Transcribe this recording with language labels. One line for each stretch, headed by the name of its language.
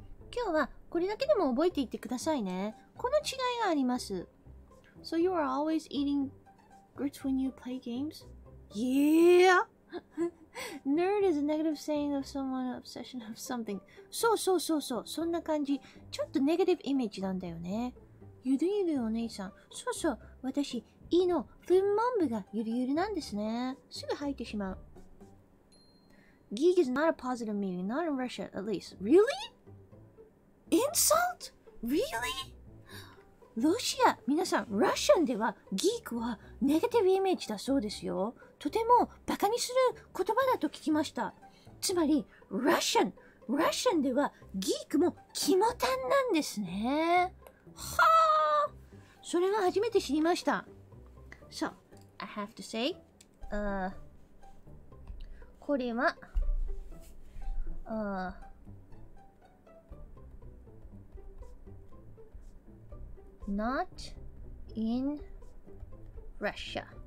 Japanese: 今日は、これだけでも覚えていってくださいね。この違いがあります。
English: So you are always eating grits when you play games? Yeah! Nerd is a negative saying of someone obsession of something.
Japanese: そうそうそうそう、そんな感じ。ちょっとネガティブイメージなんだよね。ゆるゆるお姉さん、そうそう、私、胃のふんまん部がゆるゆるなんですね。すぐ吐いてしまう。
English: Geek is not a positive meaning, not in Russia at least. Really? Insult? Really?
Japanese: ロシア、皆さん、ロシアでは、Geek はネガティブイメージだそうですよ。とてもバカにする言葉だと聞きました。つまり、ロシアでは、Geek もキモタンなんですね。はあ、それは初めて知りました。
English: So, I have to say, これは、not in Russia.